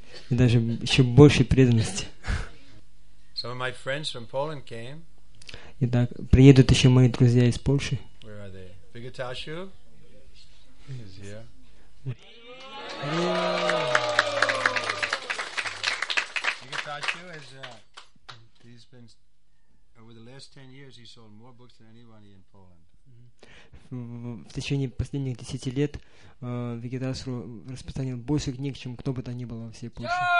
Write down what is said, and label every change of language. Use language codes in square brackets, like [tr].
[ru] И даже еще больше преданности. [en] Some of my friends from Poland came. [ru] Итак, приедут еще мои друзья из Польши. [en] Where are they? Vigatashu? He's here. Vigatashu is he's been over the last 10 years he sold more books than anybody in Poland. [ru] В течение последних 10 лет Vigatashu распространил больше книг, чем кто бы то ни было во всей Польше.